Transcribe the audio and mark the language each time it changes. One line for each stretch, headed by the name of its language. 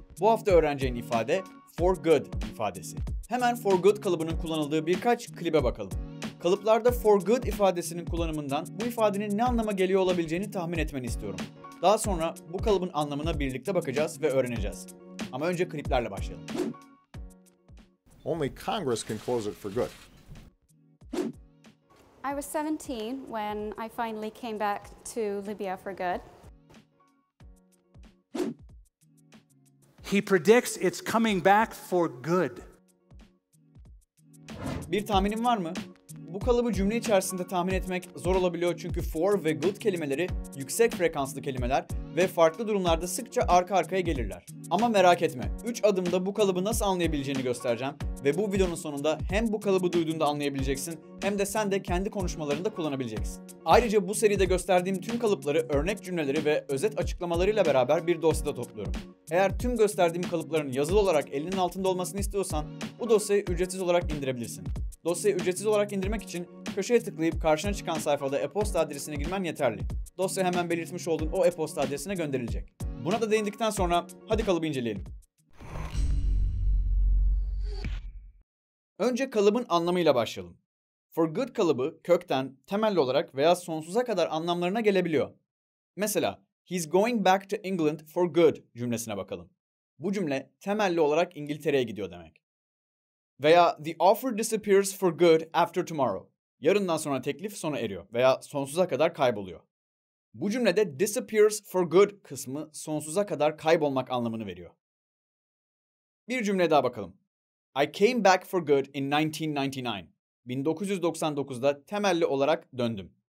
Turkish: Bu hafta öğreneceğin ifade for good ifadesi. Hemen for good kalıbının kullanıldığı birkaç klibe bakalım. Kalıplarda for good ifadesinin kullanımından bu ifadenin ne anlama geliyor olabileceğini tahmin etmeni istiyorum. Daha sonra bu kalıbın anlamına birlikte bakacağız ve öğreneceğiz. Ama önce kliplerle başlayalım.
English: Only Congress can close it for good. I was 17 when I finally came back to Libya for good. He predicts it's coming back for good.
Turkish: Bir tahminin var mı? Bu kalıbı cümle içerisinde tahmin etmek zor olabiliyor çünkü for ve good kelimeleri yüksek frekanslı kelimeler ve farklı durumlarda sıkça arka arkaya gelirler. Ama merak etme, 3 adımda bu kalıbı nasıl anlayabileceğini göstereceğim ve bu videonun sonunda hem bu kalıbı duyduğunda anlayabileceksin hem de sen de kendi konuşmalarında kullanabileceksin. Ayrıca bu seride gösterdiğim tüm kalıpları, örnek cümleleri ve özet açıklamalarıyla beraber bir dosyada topluyorum. Eğer tüm gösterdiğim kalıpların yazılı olarak elinin altında olmasını istiyorsan bu dosyayı ücretsiz olarak indirebilirsin. Dosyayı ücretsiz olarak indirmek için köşeye tıklayıp karşına çıkan sayfada e-posta adresine girmen yeterli. Dosya hemen belirtmiş olduğun o e-posta adresine gönderilecek. Buna da değindikten sonra hadi kalıbı inceleyelim. Önce kalıbın anlamıyla başlayalım. For good kalıbı kökten, temelli olarak veya sonsuza kadar anlamlarına gelebiliyor. Mesela,
English: he's going back to England for good
Turkish: cümlesine bakalım. Bu cümle temelli olarak İngiltere'ye gidiyor demek.
English: Veya the offer disappears for good after tomorrow.
Turkish: Yarından sonra teklif sona eriyor veya sonsuza kadar kayboluyor. Bu cümlede disappears for good kısmı sonsuza kadar kaybolmak anlamını veriyor. Bir cümle daha bakalım.
English: I came back for good in 1999.
Turkish: 1999'da temelli olarak döndüm.